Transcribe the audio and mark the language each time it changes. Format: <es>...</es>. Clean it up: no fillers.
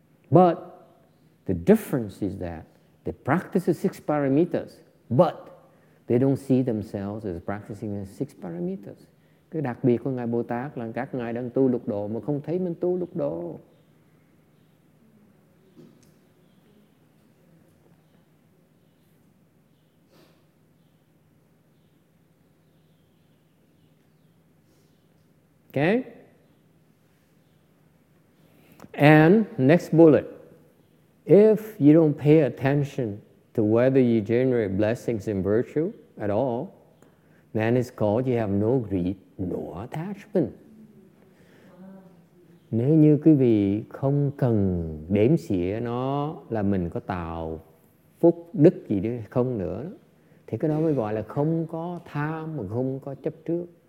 <en>But the difference is that they practice the six parameters, but they don't see themselves as practicing the six parameters.</en> <vi>Cái đặc biệt của Ngài Bồ Tát là các ngài đang tu lục độ mà không thấy mình tu lục độ.</vi> <en>Okay? And next bullet. If you don't pay attention to whether you generate blessings in virtue at all, then it's called you have no greed nor attachment.</en> <vi>Nếu như quý vị không cần đếm xỉa nó là mình có tạo phúc đức gì đó không nữa, thì cái đó mới gọi là không có tham mà không có chấp trước.</vi>